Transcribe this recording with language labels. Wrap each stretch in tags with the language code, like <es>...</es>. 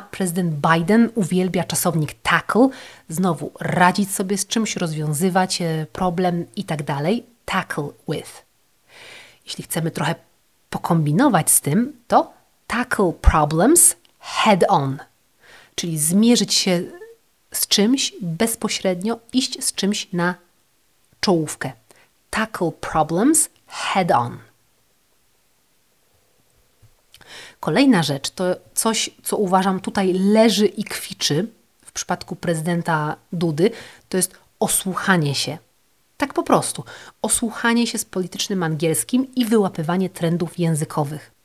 <pl>Prezydent Biden uwielbia czasownik tackle. Znowu radzić sobie z czymś, rozwiązywać problem i tak dalej.</pl> <en>Tackle with.</en> <pl>Jeśli chcemy trochę pokombinować z tym, to</pl> <en>tackle problems head on.</en> <pl>Czyli zmierzyć się z czymś bezpośrednio, iść z czymś na czołówkę.</pl> <en>Tackle problems head on.</en> <pl>Kolejna rzecz to coś, co uważam tutaj leży i kwiczy w przypadku prezydenta Dudy, to jest osłuchanie się. Tak po prostu, osłuchanie się z politycznym angielskim i wyłapywanie trendów językowych.</pl>